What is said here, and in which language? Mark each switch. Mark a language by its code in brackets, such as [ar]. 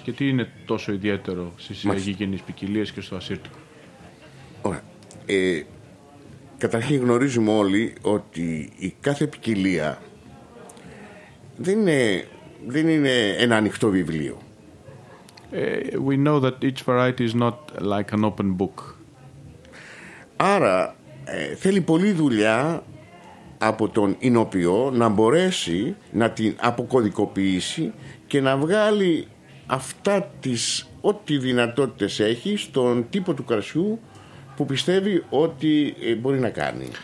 [el] Και τι είναι τόσο ιδιαίτερο στις γηγενείς ποικιλίες και στο Ασσύρτικο? Ωραία. Καταρχήν γνωρίζουμε όλοι ότι η κάθε ποικιλία δεν είναι ένα ανοιχτό βιβλίο. [en] We know that each variety is not like an open book. [el] Άρα θέλει πολλή δουλειά από τον εινοποιό να μπορέσει να την αποκωδικοποιήσει και να βγάλει αυτά τις ό,τι δυνατότητες έχει στον τύπο του κρασιού που πιστεύει ότι μπορεί να κάνει.